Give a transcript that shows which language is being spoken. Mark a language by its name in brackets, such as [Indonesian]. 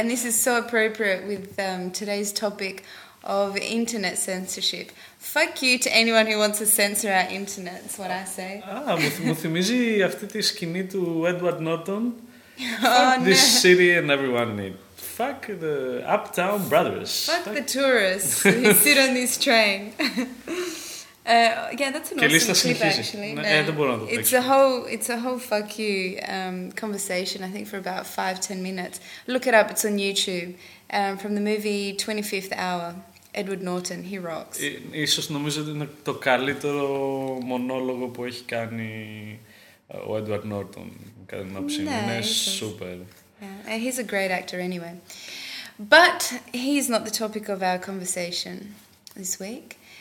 [English] And this is so appropriate with today's topic of internet censorship. Fuck you to anyone who wants to censor our internet, is what I say. [Greek] μου θυμίζει αυτή τη σκηνή του Edward Norton. [English] Oh, this no. City and everyone in it. Fuck the Uptown Brothers. Fuck the tourists who sit on this train. Yeah, that's an awesome clip, actually. It's a whole fuck you conversation, I think, for about 5-10 minutes. Look it up. It's on YouTube. From the movie 25th Hour. Edward Norton, he rocks. [Greek] Ίσως νομίζω ότι είναι το καλύτερο μονόλογο που έχει κάνει ο Edward Norton, κατά την άποψή μου, είναι σούπερ. [English] Yeah. He's a great actor anyway. But he's not the topic of our conversation this week.